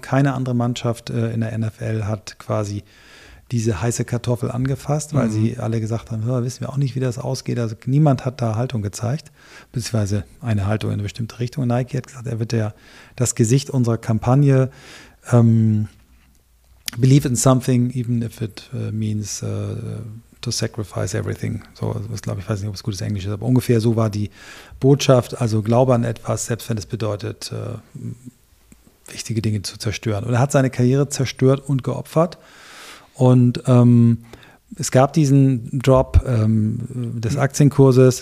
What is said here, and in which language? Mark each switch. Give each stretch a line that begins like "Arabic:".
German: Keine andere Mannschaft in der NFL hat quasi diese heiße Kartoffel angefasst, weil sie alle gesagt haben, wissen wir auch nicht, wie das ausgeht. Also niemand hat da Haltung gezeigt, beziehungsweise eine Haltung in eine bestimmte Richtung. Nike hat gesagt, er wird das Gesicht unserer Kampagne.
English: Believe in something, even if it means to sacrifice everything.
German: So, das glaube ich, weiß nicht, ob es gutes Englisch ist, aber ungefähr so war die Botschaft. Also glaube an etwas, selbst wenn es bedeutet, wichtige Dinge zu zerstören. Und er hat seine Karriere zerstört und geopfert. Und es gab diesen Drop des Aktienkurses.